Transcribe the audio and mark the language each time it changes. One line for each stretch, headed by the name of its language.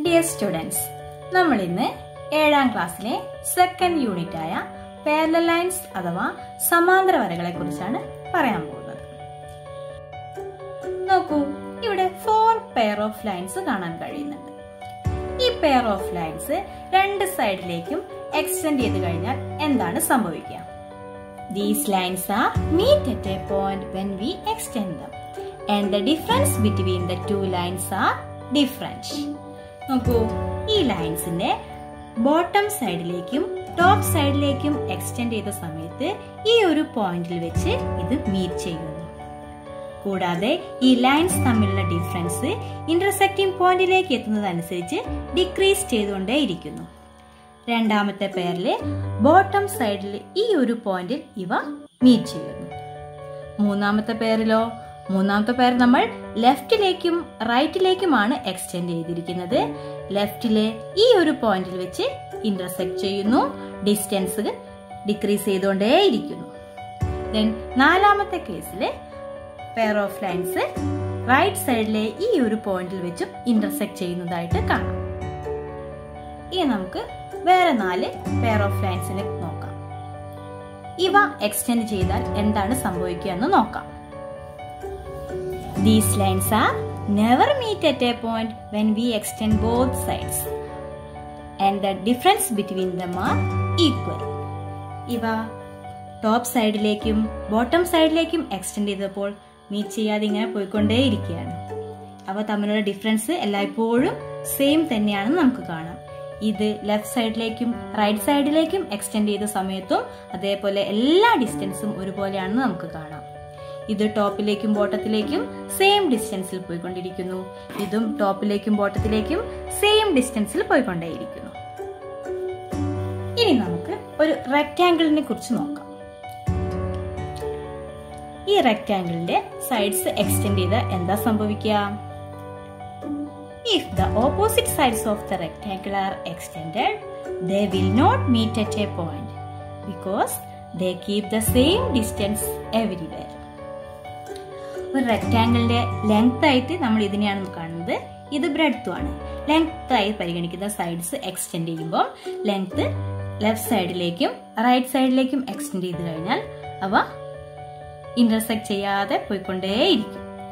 Malayalam: Students, നമ്മൾ ഇന്ന് ഏഴാം ക്ലാസ്സിലെ സെക്കൻഡ് യൂണിറ്റ് ആയ പാരലൽ ലൈൻസ് അഥവാ സമാന്തര വരകളെ കുറിച്ചാണ് പറയാൻ പോകുന്നത്. നോക്കൂ, ഇവിടെ ഫോർ പെയർ ഓഫ് ലൈൻസ് കാണാൻ കഴിയുന്നുണ്ട്. ഈ പെയർ ഓഫ് ലൈൻസ് രണ്ട് സൈഡിലേക്കും എക്സ്റ്റെൻഡ് ചെയ്ത് കഴിഞ്ഞാൽ എന്താണ് സംഭവിക്കുക?
English: These lines are meet at a point when we extend them. And the difference between the two lines are different.
Malayalam: നോക്കൂ, ഈ ലൈൻസിന്റെ ബോട്ടം സൈഡിലേക്കും ടോപ്പ് സൈഡിലേക്കും എക്സ്റ്റെൻഡ് ചെയ്ത സമയത്ത് ഈ ഒരു പോയിന്റിൽ വെച്ച് ഇത് മീറ്റ് ചെയ്യുന്നു. കൂടാതെ ഈ ലൈൻസ് തമ്മിലുള്ള ഡിഫറൻസ് ഇന്റർസെക്റ്റിംഗ് പോയിന്റിലേക്ക് എത്തുന്നതനുസരിച്ച് ഡിക്രീസ് ചെയ്തുകൊണ്ടേയിരിക്കുന്നു. രണ്ടാമത്തെ പെയറിൽ ബോട്ടം സൈഡിൽ ഈ ഒരു പോയിന്റിൽ ഇവ മീറ്റ് ചെയ്യുന്നു. മൂന്നാമത്തെ പെയറിലോ? മൂന്നാമത്തെ പെയർ നമ്മൾ ലെഫ്റ്റിലേക്കും റൈറ്റിലേക്കുമാണ് എക്സ്റ്റെൻഡ് ചെയ്തിരിക്കുന്നത്. ലെഫ്റ്റിലെ ഈ ഒരു പോയിന്റിൽ വെച്ച് ഇന്റർസെക്ട് ചെയ്യുന്നു, ഡിസ്റ്റൻസ് ഡിക്രീസ് ചെയ്തുകൊണ്ടേയിരിക്കുന്നു. ദെൻ നാലാമത്തെ കേസിൽ പെയർ ഓഫ് ലൈൻസ് റൈറ്റ് സൈഡിലെ ഈ ഒരു പോയിന്റിൽ വെച്ചും ഇന്റർസെക്ട് ചെയ്യുന്നതായിട്ട് കാണാം. ഇനി നമുക്ക് വേറെ നാല് പെയർ ഓഫ് ലൈൻസിനെ നോക്കാം. ഇവ എക്സ്റ്റെൻഡ് ചെയ്താൽ എന്താണ് സംഭവിക്കുക എന്ന് നോക്കാം.
English: These lines are never meet at a point when we extend both sides and the difference between them are equal.
Malayalam: ഇവ ടോപ്പ് സൈഡിലേക്കും ബോട്ടം സൈഡിലേക്കും എക്സ്റ്റെൻഡ് ചെയ്തപ്പോൾ മീറ്റ് ചെയ്യാതെ ഇങ്ങനെ പോയിക്കൊണ്ടേ ഇരിക്കുകയാണ്. അവ തമ്മിലുള്ള ഡിഫറൻസ് എല്ലായ്പ്പോഴും സെയിം തന്നെയാണെന്ന് നമുക്ക് കാണാം. ഇത് ലെഫ്റ്റ് സൈഡിലേക്കും റൈറ്റ് സൈഡിലേക്കും എക്സ്റ്റെൻഡ് ചെയ്ത സമയത്തും അതേപോലെ എല്ലാ ഡിസ്റ്റൻസും ഒരുപോലെയാണെന്ന് നമുക്ക് കാണാം. ഇത് ടോപ്പിലേക്കും ബോട്ടത്തിലേക്കും സെയിം ഡിസ്റ്റൻസിൽ പോയിക്കൊണ്ടിരിക്കുന്നു. ഇതും ടോപ്പിലേക്കും ബോട്ടത്തിലേക്കും സെയിം ഡിസ്റ്റൻസിൽ പോയിക്കൊണ്ടേയിരിക്കുന്നു. ഇനി നമുക്ക് ഒരു റെക്റ്റാംഗിളിനെ കുറിച്ച് നോക്കാം. ഈ റെക്റ്റാംഗിളിന്റെ സൈഡ്സ് എക്സ്റ്റെൻഡ് ചെയ്താൽ എന്താ സംഭവിക്കുക?
English: If the opposite sides of the rectangle are extended, they will not meet at a point because they keep the same distance everywhere.
Malayalam: ഒരു റെക്റ്റാംഗിളിന്റെ ലെങ്ത് ആയിട്ട് നമ്മൾ ഇതിനെയാണ് കാണുന്നത്. ഇത് ബ്രെഡ്ത് ആണ്. ലെങ്ത് ആയി പരിഗണിക്കുന്ന സൈഡ്സ് എക്സ്റ്റെൻഡ് ചെയ്യുമ്പോൾ ലെങ്ത് ലെഫ്റ്റ് സൈഡിലേക്കും റൈറ്റ് സൈഡിലേക്കും എക്സ്റ്റെൻഡ് ചെയ്ത് കഴിഞ്ഞാൽ അവ ഇന്റർസെക്ട് ചെയ്യാതെ പോയിക്കൊണ്ടേയിരിക്കും.